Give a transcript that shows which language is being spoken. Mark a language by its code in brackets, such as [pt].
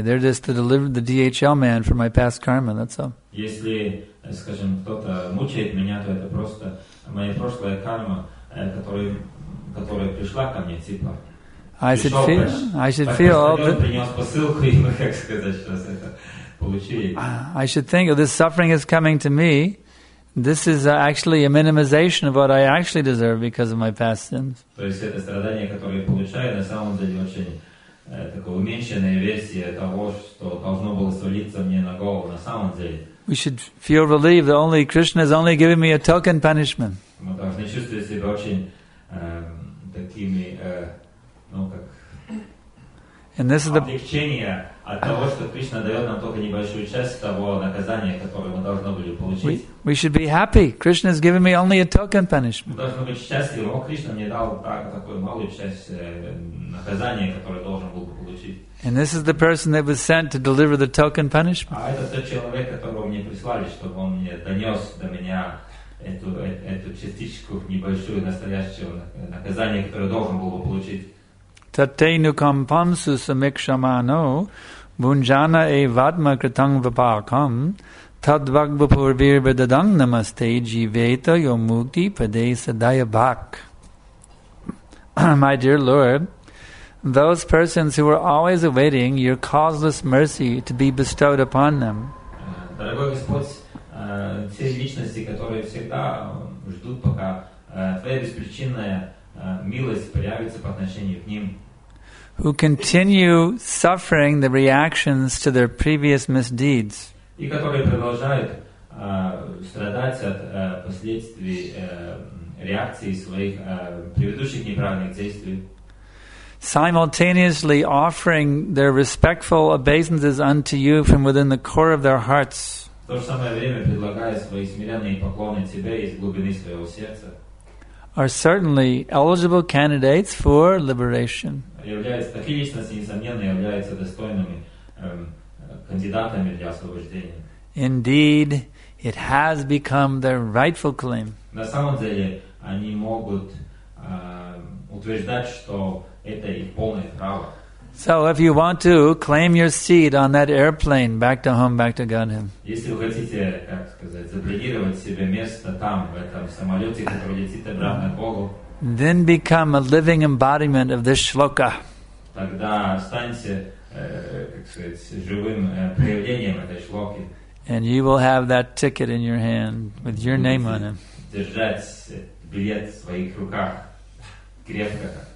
[en] They're just the DHL man for my past karma, that's all. [ru] Если, скажем, кто-то мучает меня, то это просто моя прошлая карма, которая пришла ко мне, типа. [en] I should think of this suffering is coming to me. This is actually a minimization of what I actually deserve because of my past sins. [ru] То есть это страдание, которое я получаю, на самом деле очень такая уменьшенная версия того, что должно было свалиться мне на голову на самом деле. [en] We should feel relieved that only Krishna is only giving me a token punishment. [ru] Мы должны чувствовать себя очень такими. [en] And this is the [ru] облегчение от того, что Кришна дает нам только небольшую часть того наказания, которое мы должны были получить. [en] We should be happy. Krishna has given me only a token punishment. [ru] Мы должны быть счастливы. О, Кришна мне дал такую малую часть наказания, которое должен был получить. [en] And this is the person that was sent to deliver the token punishment. [ru] А это тот человек, которого мне прислали, чтобы он мне донес до меня эту частичку небольшую настоящего наказания, которое должен был получить. [sa] Tate nukam pamsu samikshamano bunjana evadma kritang vipakam tadvagvapur virvidadang namaste jiveta yomukti pade sadaya bhak. [en] My dear Lord, those persons who were always awaiting your causeless mercy to be bestowed upon them. [ru] Дорогой Господь, все личности, которые всегда ждут, пока твоя беспричинная милость проявится по отношению к ним. [en] who continue suffering the reactions to their previous misdeeds. [ru] И которые продолжают страдать от последствий реакции своих предыдущих неправильных действий. [en] Simultaneously offering their respectful obeisances unto you from within the core of their hearts. [ru] В то же самое время предлагая свои смиренные поклоны тебе из глубины своего сердца. [en] Are certainly eligible candidates for liberation. [ru] Являются такие личности, несомненно, являются достойными кандидатами для освобождения. [en] Indeed, it has become their rightful claim. [ru] На самом деле, они могут утверждать, что это их полное право. [en] So, if you want to claim your seat on that airplane back to home, back to Godhead. [ru] Если вы хотите, как сказать, забронировать себе место там в этом самолете, который летит обратно к Богу. [en] Then become a living embodiment of this shloka. [ru] Тогда станьте, как сказать, живым проявлением этой шлоки. [en] And you will have that ticket in your hand with your name on it. [ru] Держать билет в своих руках крепко.